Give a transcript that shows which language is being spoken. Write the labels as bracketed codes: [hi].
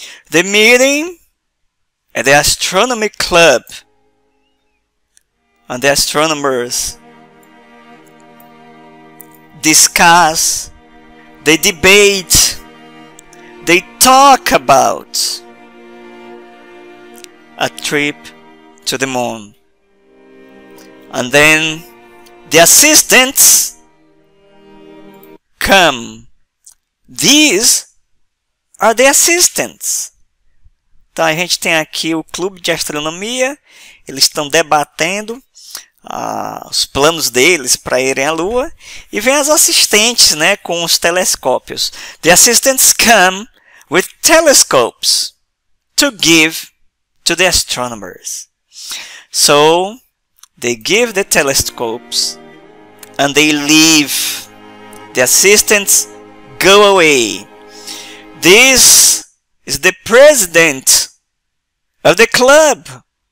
[en] The meeting at the Astronomy Club and the astronomers discuss, they debate, they talk about a trip to the moon. And then the assistants come. These are the assistants. [pt] Então a gente tem aqui o clube de astronomia, eles estão debatendo os planos deles para irem à Lua, e vem as assistentes, né, com os telescópios. [en] The assistants come with telescopes to give to the astronomers. So they give the telescopes and they leave. The assistants go away. This is the president of the club.